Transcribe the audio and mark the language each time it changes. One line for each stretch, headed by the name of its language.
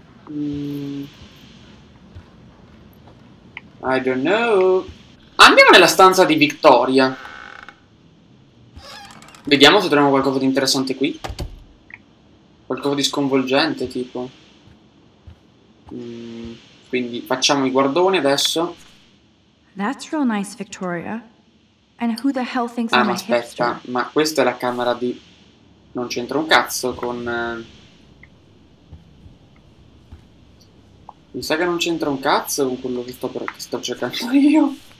English: I don't know.
Italian: Andiamo nella stanza di Victoria. Vediamo se troviamo qualcosa di interessante qui. Qualcosa di sconvolgente, tipo. Quindi facciamo i guardoni adesso.
English: That's real nice, Victoria. And who the hell thinks
Italian: ah, ma aspetta, ma questa è la camera di... Non c'entra un cazzo con... Mi sa che non c'entra un cazzo con quello che sto, cercando io.